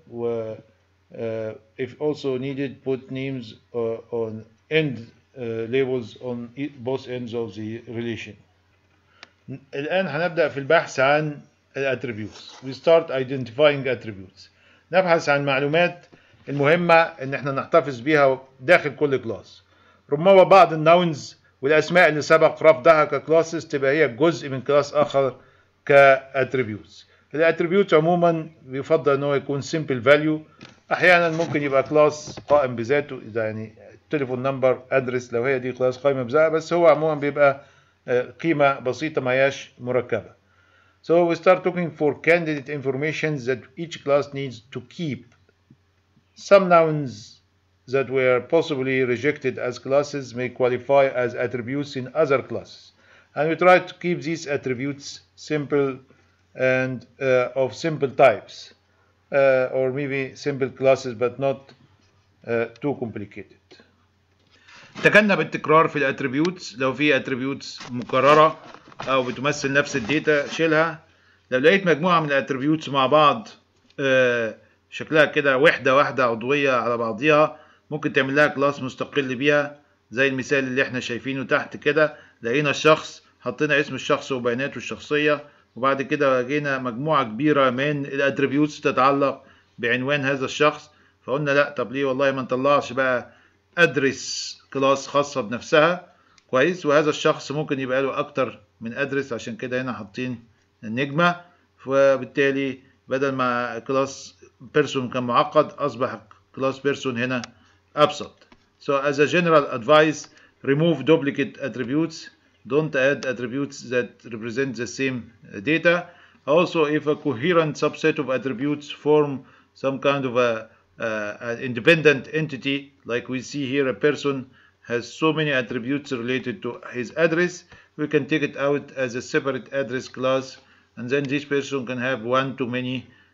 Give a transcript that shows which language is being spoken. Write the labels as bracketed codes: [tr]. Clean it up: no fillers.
[en] و if also needed, put names on end labels on both ends of the relation. [ar] الآن هنبدأ في البحث عن الـ attributes. [en] We start identifying attributes. [ar] نبحث عن معلومات المهمة إن إحنا نحتفظ بها داخل كل class. ربما بعض النونز والأسماء اللي سبق رفضها كclasses تبقى هي جزء من class آخر كattributes. الـ attributes عموما بيفضل إنه يكون simple value. أحيانا ممكن يبقى class قائم بذاته, إذا يعني telephone number address لو هي دي class قائمة بذاته, بس هو عموما بيبقى قيمة بسيطة ما هياش مركبة. [en] So we start looking for candidate information that each class needs to keep. Some nouns that were possibly rejected as classes may qualify as attributes in other classes. And we try to keep these attributes simple and of simple types. Or maybe simple classes but not too complicated. [ar] تجنب التكرار في الاتريبيوتس. لو في اتريبيوتس مكررة او بتمثل نفس الداتا شيلها. لو لقيت مجموعة من الاتريبيوتس مع بعض شكلها كده وحدة واحدة عضوية على بعضيها, ممكن تعمل لها كلاس مستقل بيها, زي المثال اللي احنا شايفينه تحت كده. لقينا الشخص, حطينا اسم الشخص وبياناته الشخصية, وبعد كده لقينا مجموعة كبيرة من الاتريبيوتس تتعلق بعنوان هذا الشخص, فقلنا لا, طب ليه والله ما نطلعش بقى ادرس كلاس خاصة بنفسها. كويس, وهذا الشخص ممكن يبقى له اكتر من ادرس, عشان كده هنا حاطين النجمة. فبالتالي بدل ما كلاس بيرسون كان معقد, اصبح كلاس بيرسون هنا ابسط. [en] So as a general advice, remove duplicate attributes. Don't add attributes that represent the same data. Also, if a coherent subset of attributes form some kind of an independent entity, like we see here, a person has so many attributes related to his address, we can take it out as a separate address class, and then this person can have one too many